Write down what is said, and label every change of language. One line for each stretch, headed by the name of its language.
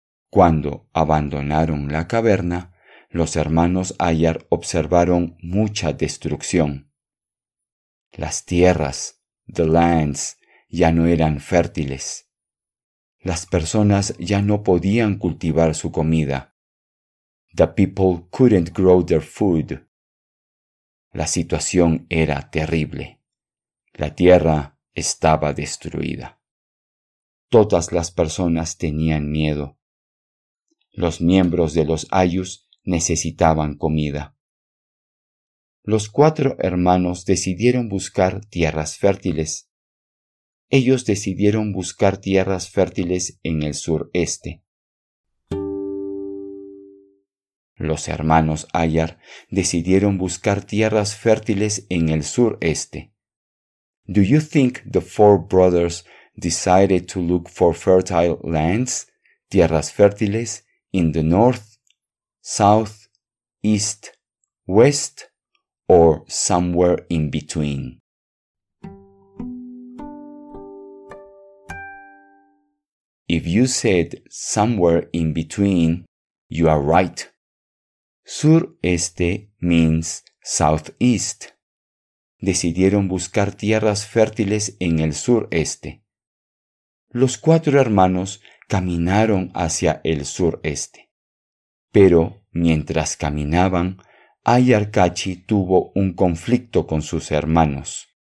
Spanish: Cuando abandonaron la caverna, los hermanos Ayar observaron mucha destrucción. Las tierras,
English: the lands,
Spanish: ya no eran fértiles. Las personas ya no podían cultivar su comida.
English: The people couldn't grow their food.
Spanish: La situación era terrible. La tierra estaba destruida. Todas las personas tenían miedo. Los miembros de los ayus necesitaban comida. Los cuatro hermanos decidieron buscar tierras fértiles. Ellos decidieron buscar tierras fértiles en el sureste. Los hermanos Ayar decidieron buscar tierras fértiles en el sureste.
English: Do you think the four brothers decided to look for fertile lands,
Spanish: tierras fértiles,
English: in the north, south, east, west? Or somewhere in between. If you said somewhere in between, you are right. Sureste means southeast.
Spanish: Decidieron buscar tierras fértiles en el sureste. Los cuatro hermanos caminaron hacia el sureste. Pero mientras caminaban, Ayar Cachi tuvo un conflicto con sus hermanos.